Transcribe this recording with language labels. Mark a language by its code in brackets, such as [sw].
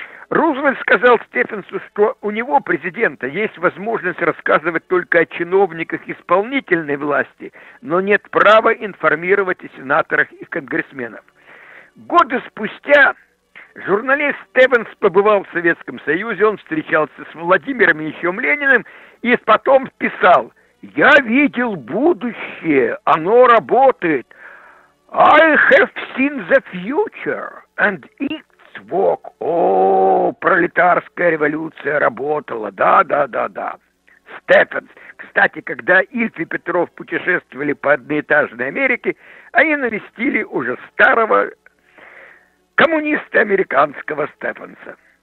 [ru] Рузвельт сказал Стефенсу, что у него, президента, есть возможность рассказывать только о чиновниках исполнительной власти, но нет права информировать о сенаторах и конгрессменов. Годы спустя Журналист Стивенс побывал в Советском Союзе, он встречался с Владимиром Ильичем Лениным и потом писал: «Я видел будущее, оно работает. [en] I have seen the future, and it's work». [ru] О, пролетарская революция работала, да-да-да-да. Стефенс. Кстати, когда Ильф и Петров путешествовали по одноэтажной Америке, они навестили уже старого коммуниста американского Стефенса.